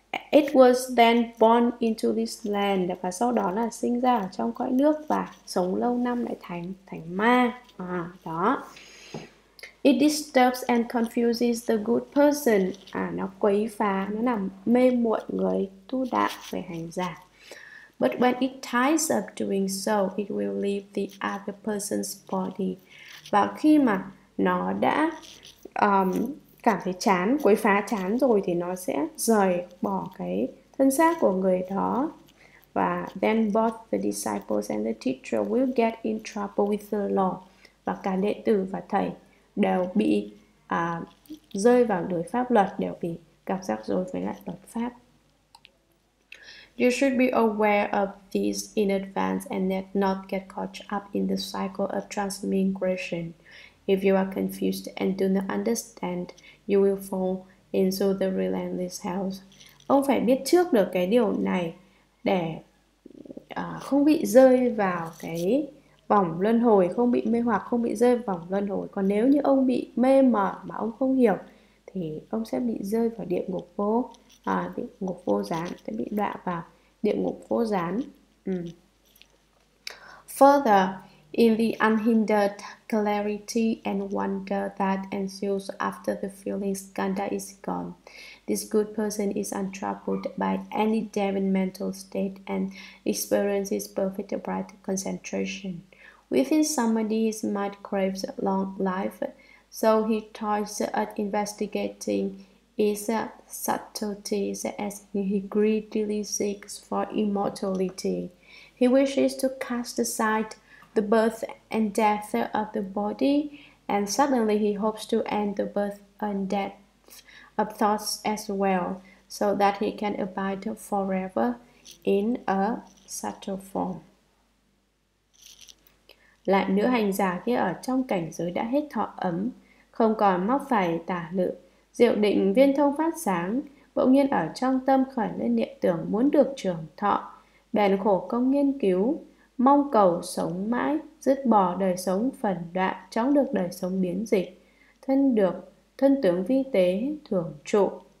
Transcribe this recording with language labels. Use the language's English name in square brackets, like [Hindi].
[English] It was then born into this land, [Vietnamese] và sau đó là sinh ra ở trong cõi nước và sống lâu năm lại thành thành ma. À, đó. [English] It disturbs and confuses the good person. [Vietnamese] À, nó quấy phá, nó làm mê muội người tu đạo về hành giả. [English] But when it tires of doing so, it will leave the other person's body. [Vietnamese] Và khi mà nó đã cảm thấy chán, quấy phá chán rồi thì nó sẽ rời bỏ cái thân xác của người đó. Và [English] then both the disciples and the teacher will get in trouble with the law. [Vietnamese] Và cả đệ tử và thầy đều bị rơi vào lưới pháp luật, đều bị gặp rắc rối với lại luật pháp. [English] You should be aware of these in advance and not get caught up in the cycle of transmigration. If you are confused and do not understand, you will fall into the relentless hell. [Vietnamese] Ông phải biết trước được cái điều này để không bị rơi vào cái vòng luân hồi, không bị mê hoặc, không bị rơi vào vòng luân hồi. Còn nếu như ông bị mê mờ mà ông không hiểu thì ông sẽ bị rơi vào địa ngục vô địa ngục vô gián, sẽ bị đọa vào địa ngục vô gián. [English] Further, in the unhindered clarity and wonder that ensues after the feeling skandha is gone, this good person is untroubled by any deviant mental state and experiences perfect bright concentration. Within samadhi, his mind craves long life, so he toils at investigating its subtleties as he greedily seeks for immortality. He wishes to cast aside the birth and death of the body, and suddenly he hopes to end the birth and death of thoughts as well, so that he can abide forever in a subtle form. [Vietnamese] Lại nữa, hành giả kia ở trong cảnh giới đã hết thọ ấm, không còn mắc phải tà lự, diệu định viên thông phát sáng, bỗng nhiên ở trong tâm khởi lên niệm tưởng muốn được trường thọ, bèn khổ công nghiên cứu, mong cầu sống mãi, dứt bỏ đời sống phần đoạn, chóng được đời sống biến dịch, thân được thân tướng vi tế thường trụ.